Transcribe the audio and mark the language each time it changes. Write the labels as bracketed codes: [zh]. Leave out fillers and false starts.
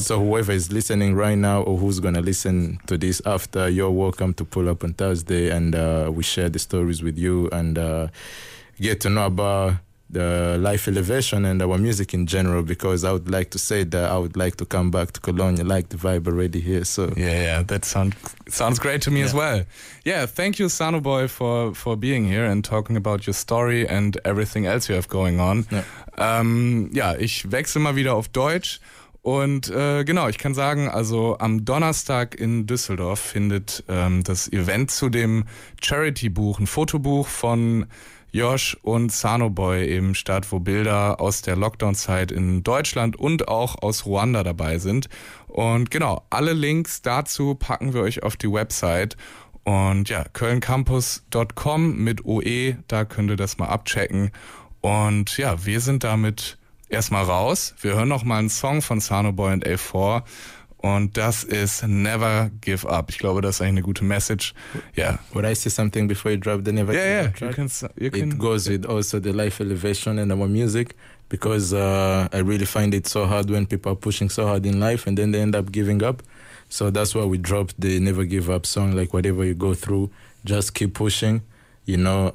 [en] So whoever is listening right now or who's going to listen to this after, you're welcome to pull up on Thursday, and we share the stories with you and get to know about the Life Elevation and our music in general, because I would like to say that I would like to come back to Cologne. I like the vibe already here. So That sounds great to me as well. Yeah, thank you, Sanoboy, for being here and talking about your story and everything else you have going on. Yeah, [de] ich wechsle mal wieder auf Deutsch. Und ich kann sagen, also am Donnerstag in Düsseldorf findet das Event zu dem Charity-Buch, ein Fotobuch von Josh und Sanoboy eben statt, wo Bilder aus der Lockdown-Zeit in Deutschland und auch aus Ruanda dabei sind. Und genau, alle Links dazu packen wir euch auf die Website. Und ja, kölncampus.com mit OE, da könnt ihr das mal abchecken. Und ja, wir sind damit erstmal raus. Wir hören noch mal einen Song von Sanoboy und A4. Und das ist Never Give Up. Ich glaube, das ist eigentlich eine gute Message. [en] Would I say something before you drop the Never Give Up? It goes with also the Life Elevation and our music, because I really find it so hard when people are pushing so hard in life and then they end up giving up. So that's why we dropped the Never Give Up song. Like, whatever you go through, just keep pushing, you know.